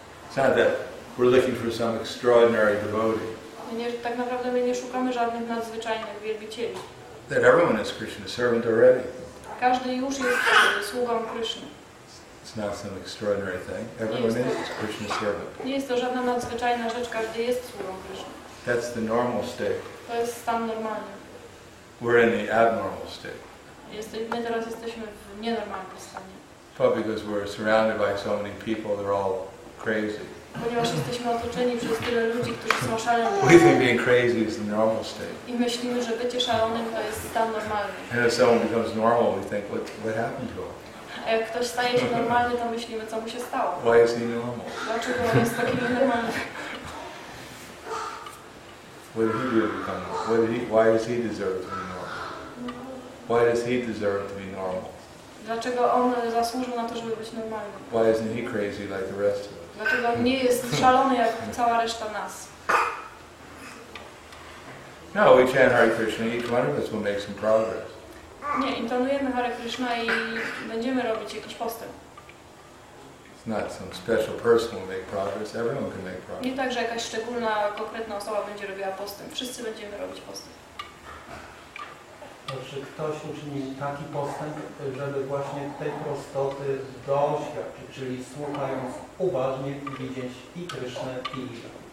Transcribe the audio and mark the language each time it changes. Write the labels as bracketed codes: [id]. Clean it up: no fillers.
[en] It's not that we're looking for some extraordinary devotee. [pl] Nie, tak naprawdę my nie szukamy żadnych nadzwyczajnych wielbicieli. [en] That everyone is Krishna's servant already. [pl] Każdy już jest sługą Krishna. [en] It's not some extraordinary thing. Everyone is Krishna's servant. [pl] Nie jest to żadna nadzwyczajna rzecz. Każdy jest sługą Krishna. [en] That's the normal state. [pl] To jest stan normalny. [en] We're in the abnormal state. [pl] My teraz jesteśmy w nienormalnym stanie. [en] Probably because we're surrounded by so many people, they're all crazy. [pl] Ponieważ jesteśmy otoczeni przez tyle ludzi, którzy są szaleni. [en] We think being crazy is the normal state. [pl] I myślimy, że bycie szalonym to jest stan normalny. [en] And if someone becomes normal, we think, what happened to him? [pl] A jak ktoś staje się normalny, to myślimy, co mu się stało. [en] Why is he normal? [pl] Dlaczego on jest taki normalny? [en] What did he do to become normal? Why does he deserve to be normal? Why does he deserve to be normal? [pl] Dlaczego on zasłużył na to, żeby być normalnym? [en] Why isn't he crazy like the rest of us? [pl] Dlaczego nie jest szalony jak cała reszta nas? [en] No, we chant Hare Krishna, each one of us will make some progress. [pl] Nie, intonujemy Hare Krishna i będziemy robić jakiś postęp. [en] It's not some special person will make progress. Everyone can make progress. [pl] Nie tak, że jakaś szczególna, konkretna osoba będzie robiła postęp. Wszyscy będziemy robić postęp. Czy ktoś uczyni taki postęp, żeby właśnie tej prostoty doświadczyć, czyli słuchając uważnie widzieć i Krysznę, i Ida?